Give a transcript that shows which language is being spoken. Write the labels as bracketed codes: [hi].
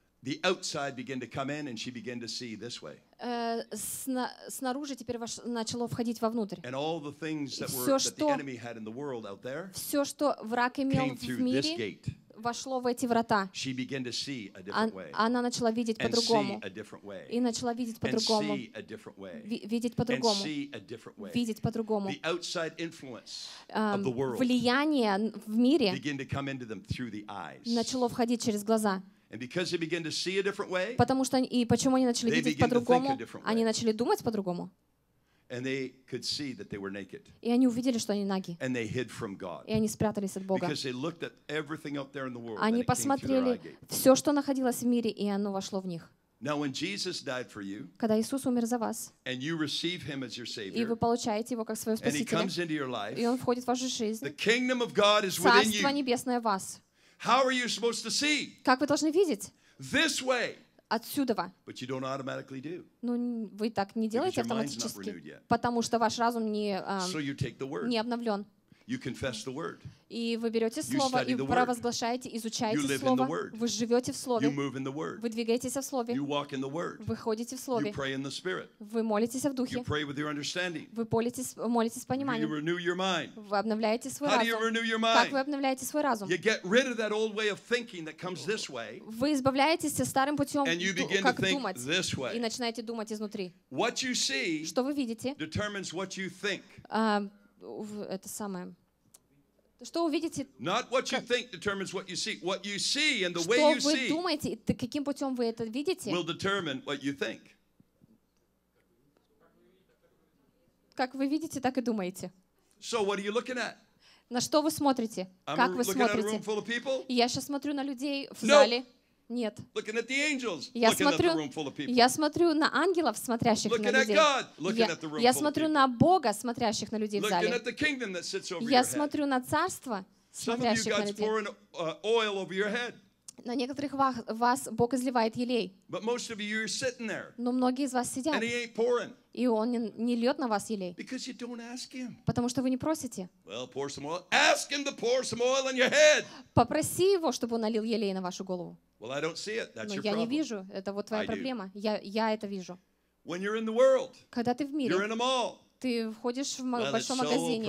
[en] the outside began to come in, and she began to see this way. [ru] Снаружи теперь начало входить вовнутрь. [en] And all the things that were that the enemy had in the world out there, [ru] все что враг имел в мире, [en] this gate. [ru] Вошло в эти врата. [en] She began to see a different way. [ru] Она начала видеть [en] and [ru] по-другому. [en] See a different way. [ru] И начала видеть по-другому. [en] And see a different way. [ru] Видеть по-другому. [en] And see a different way. [ru] Видеть по-другому. [en] The outside influence of the world [ru] влияние в мире [en] began to come into them through the eyes. [ru] Начало входить через глаза. [en] And because they began to see a different way, [ru] потому что и почему они начали видеть по-другому, они начали думать по-другому. [en] And they could see that they were naked. [ru] И они увидели, что они наги. [en] And they hid from God. [ru] И они спрятались от Бога. [en] Because they looked at everything out there in the world. [ru] Они посмотрели все, что находилось в мире, и оно вошло в них. [en] Now, when Jesus died for you, [ru] когда Иисус умер за вас, [en] and you receive Him as your Savior, [ru] и вы получаете Его как своего Спасителя, [en] and He comes into your life, [ru] и Он входит в вашу жизнь, [en] the kingdom of God is within you. [ru] Царство небесное в вас. [en] How are you supposed to see? [ru] Как вы должны видеть? [en] This way. [ru] Отсюда. [en] But you don't automatically do. [ru] Ну, вы так не делаете автоматически, потому что ваш разум не обновлен. [en] You confess the word. [ru] И вы берете слово и провозглашаете, изучаете [en] you [ru] слово. Вы живете в слове. [en] You move in the word. [ru] Вы двигаетесь в слове. [en] You walk in the word. [ru] Вы ходите в слове. [en] You pray in the spirit. [ru] Вы молитесь в духе. [en] You pray with your understanding. [ru] Вы молитесь с пониманием. [en] You renew your mind. [ru] Вы обновляете свой [en] How [ru] разум. [en] Do you renew your mind? [ru] Как вы обновляете свой разум? [en] You get rid of that old way of thinking that comes this way. [ru] Вы избавляетесь от старым путем, [en] and you begin [ru] как [en] to think [ru] думать [en] this way. [ru] И начинаете думать изнутри. [en] What you see [ru] что вы видите [en] determines what you think. [ru] Это самое. Что увидите? [en] Not what you think determines what you see. What you see and the way you see. [ru] Что вы думаете, каким путем вы это видите? [en] Will determine what you think. [ru] Как вы видите, так и думаете. [en] So what are you looking at? [ru] На что вы смотрите? Как вы смотрите? [en] I'm looking at a room full of people. [ru] Я сейчас смотрю на людей в зале. Нет. [en] Looking at the angels, looking at the room full of people. [ru] Я смотрю на ангелов, смотрящих на людей. [en] Looking at God, looking at the room full of people. [ru] Я смотрю на Бога, смотрящих на людей в зале. [en] Looking at the kingdom that sits over your head. [ru] Я смотрю на царство, смотрящих на людей. [en] Some of you God's pouring oil over your head. [ru] На некоторых вас Бог изливает елей. [en] But most of you are sitting there. [ru] Но многие из вас сидят. [en] And He ain't pouring. [ru] И Он не льет на вас елей. [en] Because you don't ask Him. [ru] Потому что вы не просите. [en] Well, pour some oil. Ask Him to pour some oil on your head. [ru] Попроси Его, чтобы Он налил елей на вашу голову. [en] Well, I don't see it. That's [ru] Но [en] your problem. [ru] Я не вижу. Это вот твоя проблема. Я это вижу. [en] When you're in the world, [ru] когда ты в мире, [en] you're in a mall. [ru] Ты входишь в большом магазине.